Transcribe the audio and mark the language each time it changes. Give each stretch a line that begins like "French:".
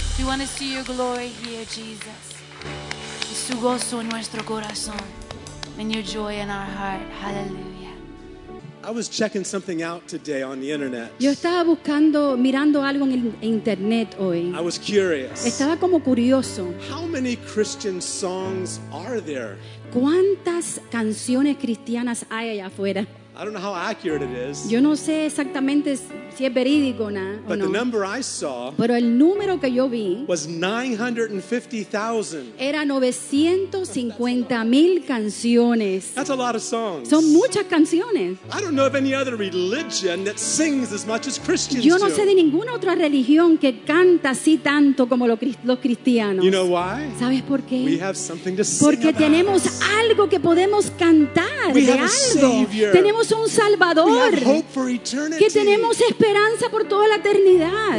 English: We want to see your glory here, Jesus.
Spanish: Y su gozo en nuestro corazón.
English: And your joy in our heart.
Spanish: Hallelujah.
English: I was checking something out today on the internet.
Spanish: Yo estaba buscando, mirando algo en internet hoy.
English: I was curious.
Spanish: Estaba como curioso.
English: How many Christian songs are there?
Spanish: ¿Cuántas canciones cristianas hay allá afuera?
English: I don't know how accurate it is.
Spanish: Yo no sé exactamente si es verídico o no.
English: But the number I saw,
Spanish: pero el número que yo vi,
English: was 950,000.
Spanish: Era 950,000 canciones.
English: That's a lot of songs.
Spanish: Son muchas canciones.
English: I don't know of any other religion that sings as much as Christians do.
Spanish: Yo no sé de ninguna otra religión que canta así tanto como los cristianos.
English: You know why?
Spanish: ¿Sabes por qué?
English: We have something to sing.
Spanish: Porque tenemos algo que podemos cantar.
English: We have a Savior.
Spanish: Tenemos un Salvador que tenemos esperanza por toda la eternidad.